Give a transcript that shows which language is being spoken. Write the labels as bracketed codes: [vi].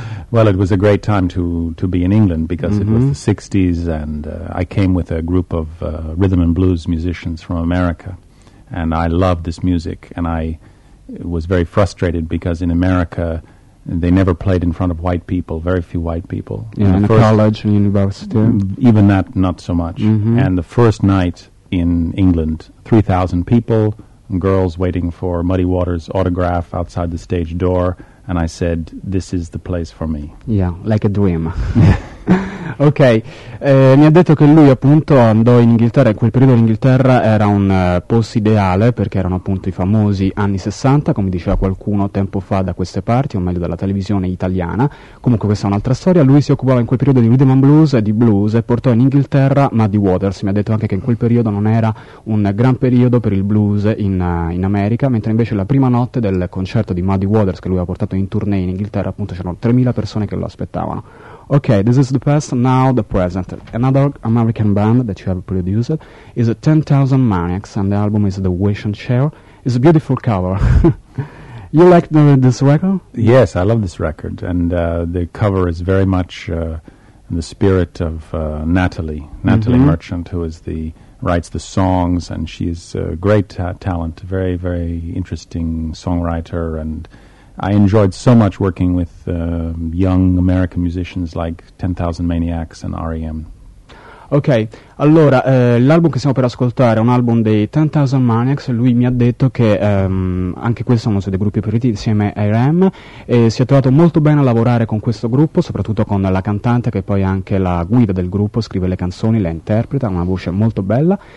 [en] Well, it was a great time to be in England because it was the 60s and I came with a group of rhythm and blues musicians from America and I loved this music and I was very frustrated because in America they never played in front of white people, very few white people. Yeah, in college and university. Even that, not so much. Mm-hmm. And the first night in England, 3,000 people, girls waiting for Muddy Waters' autograph outside the stage door. And I said, this is the place for me. Yeah, like a dream. [it] Ok, mi ha detto che lui appunto andò in Inghilterra, in quel periodo l'Inghilterra era un posto ideale perché erano appunto i famosi anni 60, come diceva qualcuno tempo fa da queste parti, o meglio dalla televisione italiana. Comunque questa è un'altra storia. Lui si occupava in quel periodo di rhythm and blues e di blues e portò in Inghilterra Muddy Waters. Mi ha detto anche che in quel periodo non era un gran periodo per il blues in America, mentre invece la prima notte del concerto di Muddy Waters che lui ha portato in tournée in Inghilterra appunto c'erano 3.000 persone che lo aspettavano. [en] Okay, this is the past, now the present. Another American band that you have produced is 10,000 Maniacs, and the album is The Wish and Share. It's a beautiful cover. You like this record? Yes, I love this record, and the cover is very much in the spirit of Natalie Merchant, who writes the songs, and she is a great talent, a very, very interesting songwriter, and I enjoyed so much working with young American musicians like 10,000 Maniacs and R.E.M. [it] Ok, allora, l'album che stiamo per ascoltare è un album dei 10,000 Maniacs. Lui mi ha detto che anche questo è uno dei gruppi preferiti insieme a R.E.M. e si è trovato molto bene a lavorare con questo gruppo, soprattutto con la cantante che poi è anche la guida del gruppo, scrive le canzoni, le interpreta, ha una voce molto bella.